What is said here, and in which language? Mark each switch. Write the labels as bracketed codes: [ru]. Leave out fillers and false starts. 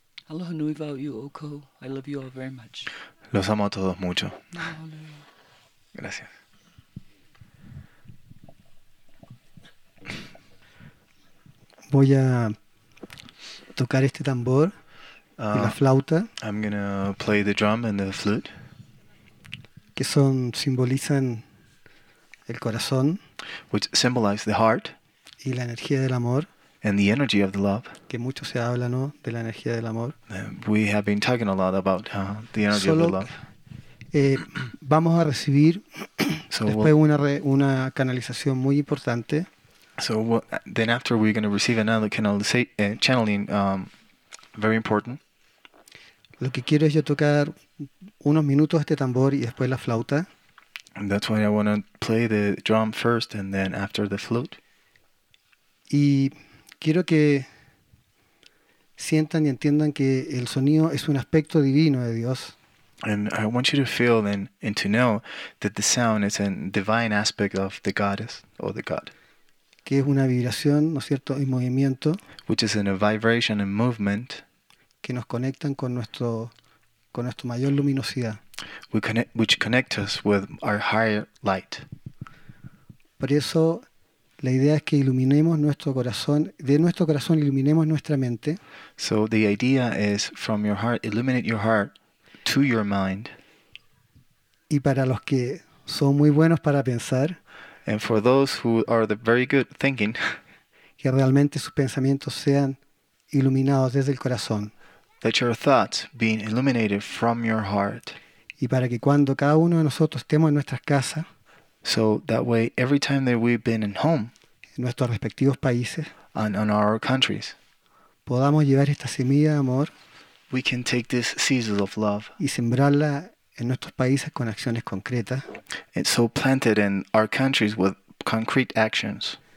[haw] Aloha nui vau iu oko. [en] I love you all very much. [es] Los amo a todos mucho. Gracias. Voy a tocar este tambor y la flauta. [en] I'm going to play the drum and the flute. [es] Que son, simbolizan el corazón. [en] Which symbolize the heart. [es] Y la energía del amor. [en] And the energy of the love. [es] Que mucho se habla, ¿no? De la energía del amor. [en] We have been talking a lot about the energy solo of the love. [es] Vamos a recibir so después una canalización muy importante. [en] So then after we're going to receive another channeling, very important. [es] Lo que quiero es yo tocar unos minutos este tambor y después la flauta. [en] And that's why I want to play the drum first and then after the flute. [es] Y quiero que sientan y entiendan que el sonido es un aspecto divino de Dios. [en] And I want you to feel and to know that the sound is a divine aspect of the goddess or the god. [es] Que es una vibración, ¿no es cierto?, y movimiento. [en] Which is in a vibration and movement. [es] Que nos conectan con nuestro mayor luminosidad. [en] Which connect us with our higher light. [es] Por eso la idea es que iluminemos nuestro corazón, de nuestro corazón iluminemos nuestra mente. [en] So the idea is from your heart, illuminate your heart to your mind. [es] Y para los que son muy buenos para pensar. [en] And for those who are the very good thinking. [es] Que realmente sus pensamientos sean iluminados desde el corazón. [en] That your thoughts being illuminated from your heart. [es] Y para que cuando cada uno de nosotros estemos en nuestras casas. [en] So that way, every time that we've been in home, [es] en nuestros respectivos países, [en] and on our countries, [es] podamos llevar esta semilla de amor, [en] we can take this seeds of love, [es] y sembrarla en nuestros países con acciones concretas, [en] and so plant it in our countries with concrete actions,